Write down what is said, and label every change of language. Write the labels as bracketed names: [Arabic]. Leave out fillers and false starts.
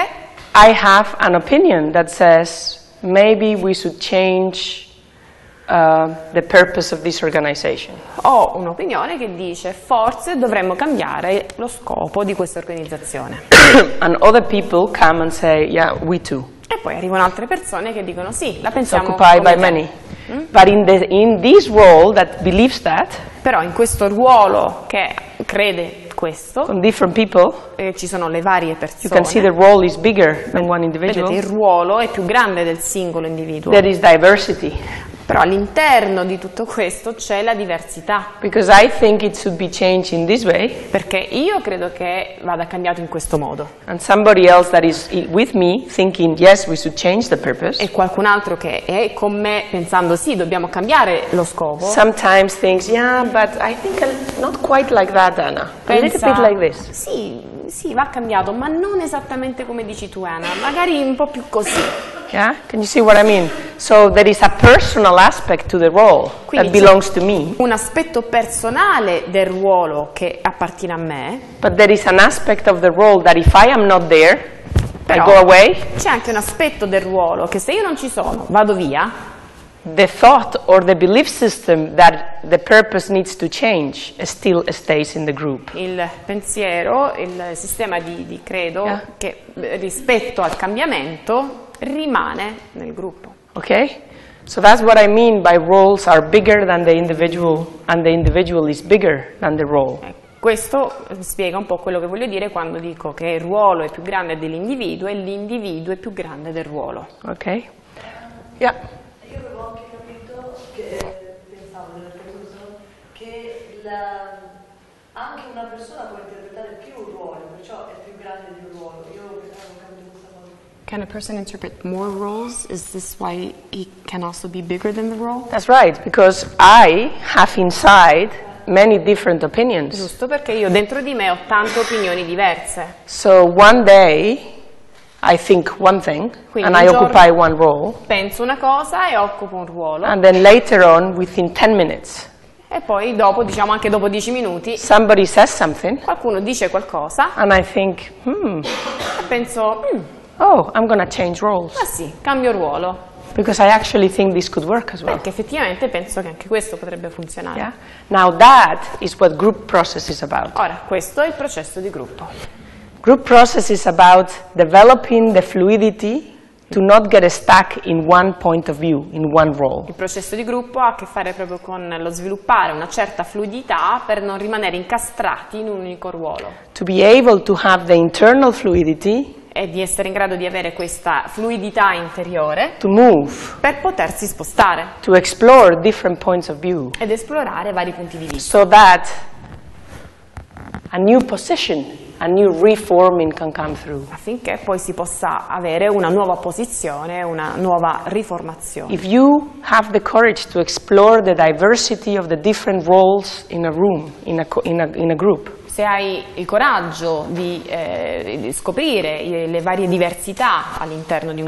[English] I have an opinion that says maybe we should change the purpose of this organization. [Italian] Ho un'opinione che dice forse dovremmo cambiare lo scopo di questa organizzazione. [English] And other people come and say, yeah, we too. [Italian] E poi arrivano altre persone che dicono sì, la pensiamo. [English] Occupied by many. But in this role that believes that. [Italian] Però in questo ruolo che crede questo. [English] From different people. [Italian] Ci sono le varie persone. [English] You can see the role is bigger than one individual. [Italian] Vedete, il ruolo è più grande del singolo individuo. [English] There is diversity. [Italian] Però all'interno di tutto questo c'è la diversità. [English] Because I think it should be changed in this way. [Italian] Perché io credo che vada cambiato in questo modo. [English] And somebody else that is with me thinking yes we should change the purpose. [Italian] E qualcun altro che è con me pensando sì dobbiamo cambiare lo scopo. [English] Sometimes thinks yeah but I think not quite like that Anna. [Italian] Pensa, [English] a little bit like this. [Italian] Sì, sì, va cambiato, ma non esattamente come dici tu Anna, magari un po' più così. [English] Yeah, can you see what I mean? So there is a personal aspect to the role. [Italian] Quindi [English] that belongs to me. [Italian] Un aspetto personale del ruolo che appartiene a me. [English] But there is an aspect of the role that if I am not there, [Italian] però [English] I go away. [Italian] C'è anche un aspetto del ruolo che se io non ci sono, vado via. [English] The thought or the belief system that the purpose needs to change still stays in the group. [Italian] Il pensiero, il sistema di credo, yeah, che rispetto al cambiamento rimane nel gruppo. [English] Okay? So that's what I mean by roles are bigger than the individual and the individual is bigger than the role. [Italian] Questo spiega un po' quello che voglio dire quando dico che il ruolo è più grande dell'individuo e l'individuo è più grande del ruolo. [English] Okay? Yeah. [Italian] Io avevo anche capito che pensavo nel caso che anche una persona può interpretare più ruoli, perciò è più grande di un ruolo. Io [English] can a person interpret more roles? Is this why he can also be bigger than the role? That's right, because I have inside many different opinions. [Italian] Giusto, perché io dentro di me ho tante opinioni diverse. [English] So one day I think one thing. [Italian] Quindi [English] and I occupy one role. [Italian] Penso una cosa e occupo un ruolo. [English] And then later on within 10 minutes. [Italian] E poi dopo, diciamo anche dopo 10 minuti, [English] somebody says something. [Italian] Qualcuno dice qualcosa. [English] And I think, [Italian] E penso, [English] Oh, I'm gonna change roles. [Italian] Ma sì, cambio ruolo. [English] Because I actually think this could work as well. [Italian] Perché effettivamente penso che anche questo potrebbe funzionare. [English] Yeah? Now that is what group process is about. [Italian] Ora, questo è il processo di gruppo. [English] Group process is about developing the fluidity to not get stuck in one point of view, in one role. [Italian] Il processo di gruppo ha a che fare proprio con lo sviluppare una certa fluidità per non rimanere incastrati in un unico ruolo. [English] To be able to have the internal fluidity. [Italian] E di essere in grado di avere questa fluidità interiore [English] to move, [Italian] per potersi spostare [English] to explore different points of view, [Italian] ed esplorare vari punti di vista [English] so that a new position, a new reforming can come through. [Italian] Affinché poi si possa avere una nuova posizione, una nuova riformazione. [English] If you have the courage to explore the diversity of the different roles in a room, in a group. [Italian] Se hai il coraggio di scoprire le varie diversità all'interno di un